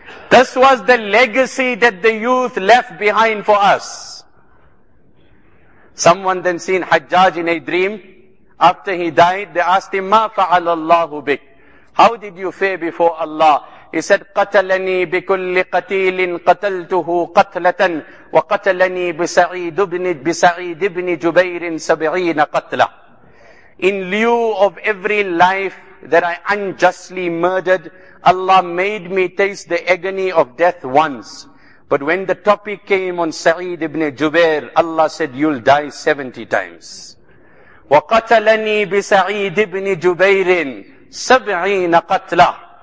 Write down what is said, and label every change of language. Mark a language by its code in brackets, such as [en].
[en] This was the legacy that the youth left behind for us. Someone then seen Hajjaj in a dream. After he died, they asked him, [ar] مَا فَعَلَ اللَّهُ بِكَ. [en] How did you fare before Allah? He said, [ar] قَتَلَنِي بِكُلِّ قَتِيلٍ قَتَلْتُهُ قَتْلَةً وَقَتَلَنِي بِسَعِيدِ بْنِ جُبَيْرٍ سَبْعِينَ قَتْلًا. [en] In lieu of every life that I unjustly murdered, Allah made me taste the agony of death once. But when the topic came on Sa'id ibn Jubair, Allah said, you'll die 70 times. [ar] وَقَتَلَنِي بِسَعِيدِ بْنِ جُبَيْرٍ سَبْعِينَ قَتْلًا.